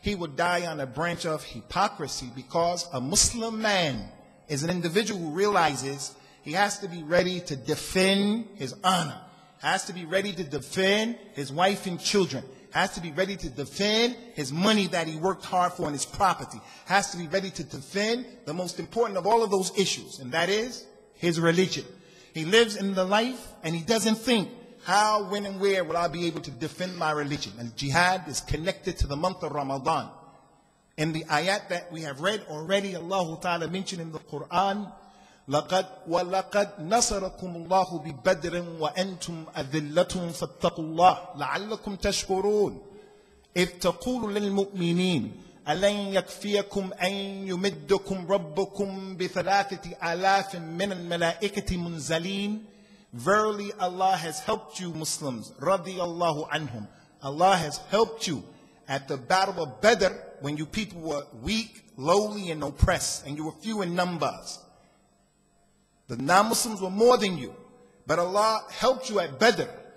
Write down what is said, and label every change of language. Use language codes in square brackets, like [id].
[en] He would die on a branch of hypocrisy, because a Muslim man is an individual who realizes he has to be ready to defend his honor, has to be ready to defend his wife and children, has to be ready to defend his money that he worked hard for and his property, has to be ready to defend the most important of all of those issues, and that is his religion. He lives in the life and he doesn't think, how, when, and where will I be able to defend my religion? And jihad is connected to the month of Ramadan. In the ayat that we have read already, Allah Ta'ala mentioned in the Quran, [ar] لَقَدْ وَلَقَدْ نَصَرَكُمُ اللَّهُ بِبَدْرٍ وَأَنْتُمْ أَذِلَّةٌ فَاتَّقُوا اللَّهُ لَعَلَّكُمْ تَشْكُرُونَ إِذْ تَقُولُ لِلْمُؤْمِنِينَ أَلَنْ يَكْفِيَكُمْ أَنْ يُمِدَّكُمْ رَبُّكُمْ بِ3,000 مِنَ الْمَلَائِكَةِ مُنْزَلِينَ. [en] Verily Allah has helped you Muslims, [ar] رَضِيَ اللَّهُ عَنْهُمْ. [en] Allah has helped you at the battle of Badr when you people were weak, lowly, and oppressed, and you were few in numbers. The non-Muslims were more than you. But Allah helped you at Badr.